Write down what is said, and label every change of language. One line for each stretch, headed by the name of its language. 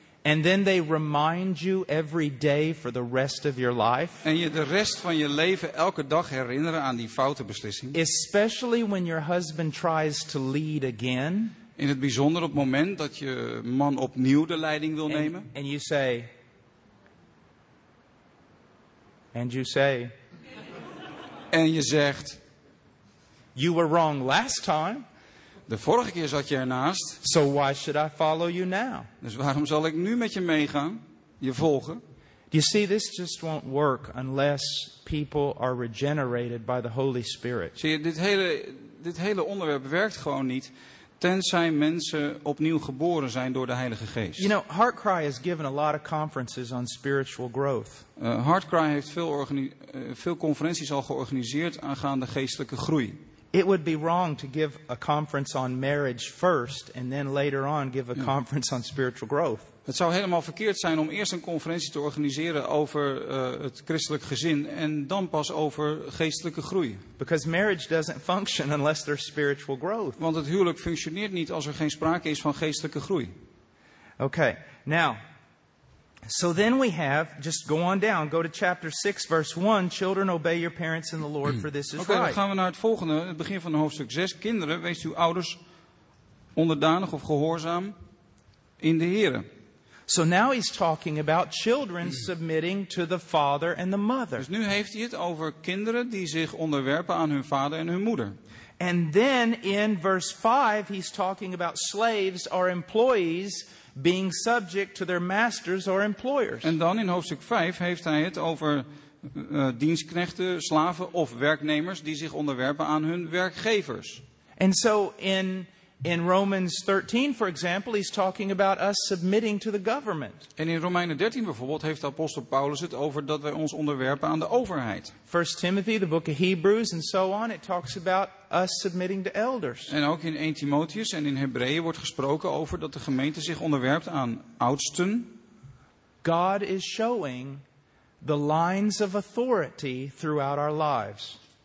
English: And then they remind you every day for the rest of your life.
Dutch: En je de rest van je leven elke dag herinneren aan die foute beslissing.
English: Especially when your husband tries to lead again.
Dutch: In het bijzonder op het moment dat je man opnieuw de leiding wil nemen.
English: And you say. And you say.
Dutch: En je zegt.
English: You were wrong last time.
Dutch: De vorige keer zat je ernaast.
English: So why should I follow you now?
Dutch: Dus waarom zal ik nu met je meegaan? Je volgen?
English: You see, this just won't work unless people are regenerated by the Holy Spirit.
Dutch: Zie je, dit hele onderwerp werkt gewoon niet. Tenzij mensen opnieuw geboren zijn door de Heilige Geest.
English: You know, Heartcry has given a lot of conferences on spiritual growth.
Dutch: Heartcry heeft veel conferenties al georganiseerd aangaande geestelijke groei.
English: It would be wrong to give a conference on marriage first and then later on give a conference on spiritual growth.
Dutch: Het zou helemaal verkeerd zijn om eerst een conferentie te organiseren over het christelijk gezin en dan pas over geestelijke groei.
English: Because marriage doesn't function unless there's spiritual growth.
Dutch: Want het huwelijk functioneert niet als er geen sprake is van geestelijke groei.
English: Okay. Now, so then we have, just go on down, go to chapter 6, verse 1, children, obey your parents in the Lord, for this is right.
Dutch: Oké, dan gaan we naar het volgende, het begin van hoofdstuk 6. Kinderen, wees uw ouders onderdanig of gehoorzaam in de Heere.
English: So now he's talking about children submitting to the father and the mother.
Dutch: Dus nu heeft hij het over kinderen die zich onderwerpen aan hun vader en hun moeder.
English: And then in verse 5, he's talking about slaves or employees being subject to their masters or employers.
Dutch: En dan in hoofdstuk 5 heeft hij het over dienstknechten, slaven of werknemers die zich onderwerpen aan hun werkgevers.
English: And so in Romans 13 for example, he's talking about us submitting to the government.
Dutch: En in Romeinen 13 bijvoorbeeld heeft de apostel Paulus het over dat wij ons onderwerpen aan de overheid.
English: 1 Timothy, the book of Hebrews and so on, it talks about us submitting to elders.
Dutch: En ook in 1 Timotheus en in Hebreeën wordt gesproken over dat de gemeente zich onderwerpt aan oudsten.
English: God is showing the lines of authority throughout our lives.